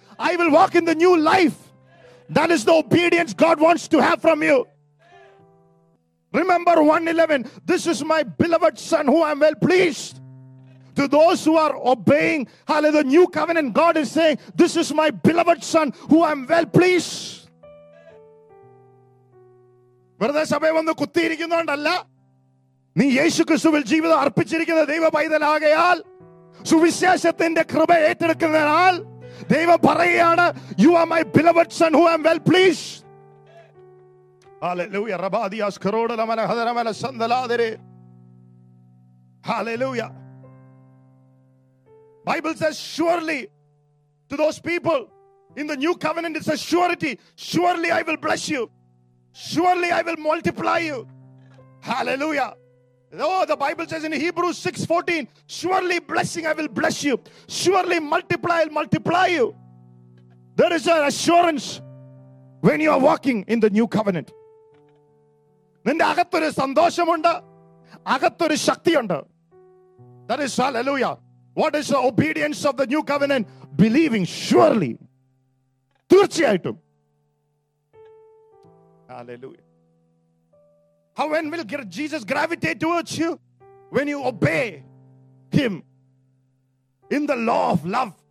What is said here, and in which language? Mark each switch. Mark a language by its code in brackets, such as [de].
[en] I will walk in the new life. That is the obedience God wants to have from you. Remember 1:11. This is my beloved son who I am well pleased. To those who are obeying, hallelujah, the new covenant, God is saying, this is my beloved son who I am well pleased. [ml] വെറുതെ സഭയെ വന്ന് കുത്തിയിരിക്കുന്നോണ്ടല്ല നീ യേശു ക്രിസ്തുവിൽ ജീവിതം അർപ്പിച്ചിരിക്കുന്ന ദൈവ പൈതലാകയാൽ സുവിശേഷത്തിന്റെ കൃപ ഏറ്റെടുക്കുന്നതിനാൽ ദൈവം പറയുകയാണ് [en] You are my beloved son who I am well please hallelujah റബാദിയാസ് കറോഡ ലമല ഹദര മല സന്ദലാദരെ hallelujah Bible says surely to those people in the new covenant it's a surety surely I will bless you Surely I will multiply you. Hallelujah. Oh, the Bible says in Hebrews 6:14, surely blessing I will bless you. Surely multiply, I'll multiply you. There is an assurance when you are walking in the new covenant. [ml] നിന്റെ അകത്തൊരു സന്തോഷമുണ്ട്, അകത്തൊരു ശക്തിയുണ്ട്. [en] That is hallelujah. What is the obedience of the new covenant? Believing surely. [ml] തീർച്ചയായിട്ടും. [en] Hallelujah. How when will Jesus gravitate towards you? When you obey him in the law of love.